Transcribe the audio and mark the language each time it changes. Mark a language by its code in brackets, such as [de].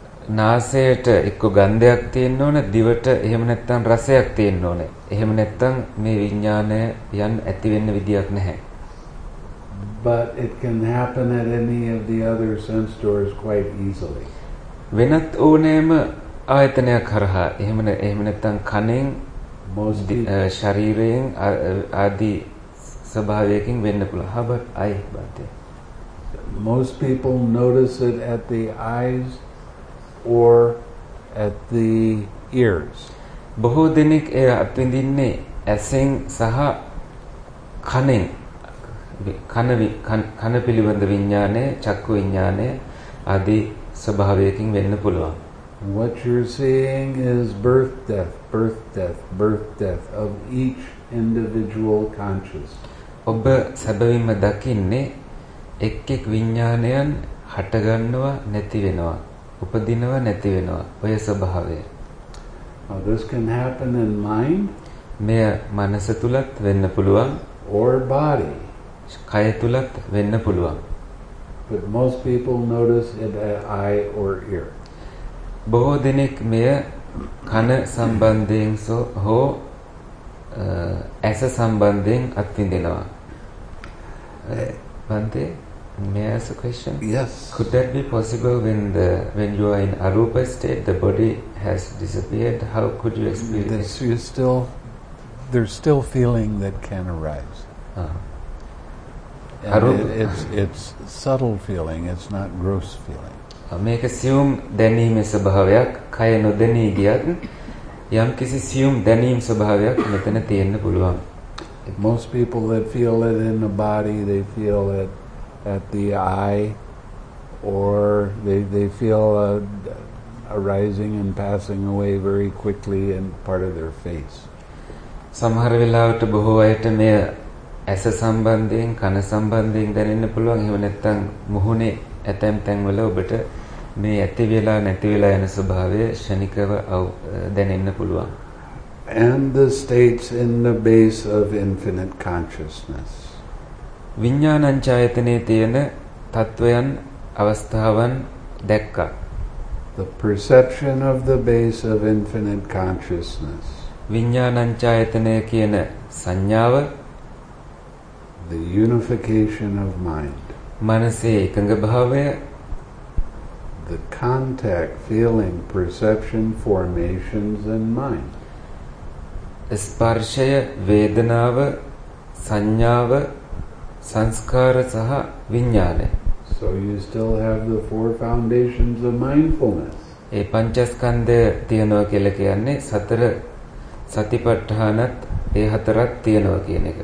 [si] නාසයට එක්ක ගන්ධයක් තියෙන්න ඕනේ, දිවට එහෙම නැත්නම් රසයක් තියෙන්න ඕනේ. එහෙම නැත්නම් මේ විඥානය යන් ඇති වෙන්න විදියක් නැහැ. [en] But it can happen at any of the other sense doors quite easily. [si] වෙනත් ඕනෑම ආයතනයක් හරහා එහෙම නැත්නම් කණෙන් [en] most [si] ශරීරයෙන් ආදී ස්වභාවයකින් වෙන්න පුළුවන්. හබත් අය බාතය. [en] Most people notice it at the eyes or at the ears. [si] බොහෝ දෙනෙක් එය අත්විඳින්නේ ඇසෙන් සහ කණෙන්. කන පිළිබඳ විඥානය, චක්කු විඥානය ආදී ස්වභාවයකින් වෙන්න පුළුවන්. [en] What you're seeing is birth, death, birth, death, birth, death of each individual consciousness. [si] ඔබ සැබවින්ම දකින්නේ එක් එක් විඥානයන් හටගන්නවා, නැතිවෙනවා, උපදිනවා, නැතිවෙනවා. ඔය ස්වභාවය. [en] Now this can happen in mind. [si] මෙය මනස තුලත් වෙන්න පුළුවන්. [en] Or body. [si] කය තුලත් වෙන්න පුළුවන්. [en] But most people notice it at eye or ear. [si] බොහෝ දෙනෙක් මෙය කන සම්බන්ධයෙන් හෝ ඇස සම්බන්ධයෙන් අත්විඳිනවා. [en] Bhante, may I ask a question? Yes. Could that be possible when you are in arupa state, the body has disappeared? How could you experience this? There's still feeling that can arise. It's subtle feeling, it's not gross feeling. [si] මේක සියුම් දැනීමේ ස්වභාවයක්. කය නොදැනී ගියත් යම්කිසි සියුම් දැනීම් ස්වභාවයක් මෙතන තියෙන්න පුළුවන්. [en] Most people that feel it in the body, they feel it at the eye, or they feel arising and passing away very quickly in part of their face. [si] සමහර වෙලාවට බොහෝ අයට මෙය ඇස සම්බන්ධයෙන්, කන සම්බන්ධයෙන් දැනෙන්න පුළුවන්. එහෙම නැත්නම් මුහුණේ ඇතැම් තැන්වල ඔබට මේ ඇති වෙලා නැති වෙලා යන ස්වභාවය ක්ෂණිකව දැනෙන්න පුළුවන්. [en] And the states in the base of infinite consciousness. [si] විඥානංචායතනයේ තියෙන තත්වයන්, අවස්ථාවන් දැක්කා. [en] The perception of the base of infinite consciousness. [si] විඥානංචායතනය කියන සංඥාව. [en] The unification of mind. [si] මනසේ එකඟ භාවය. [en] The contact, feeling, perception, formations and mind. [si] ස්පර්ශය, වේදනාව, සංඥාව, සංස්කාර සහ විඥානය. [en] So you still have the four foundations of mindfulness. [si] ඒ පංචස්කන්ධය තියෙනවා කියලා කියන්නේ සතර සතිපට්ඨානත් ඒ හතරක් තියෙනවා කියන එක.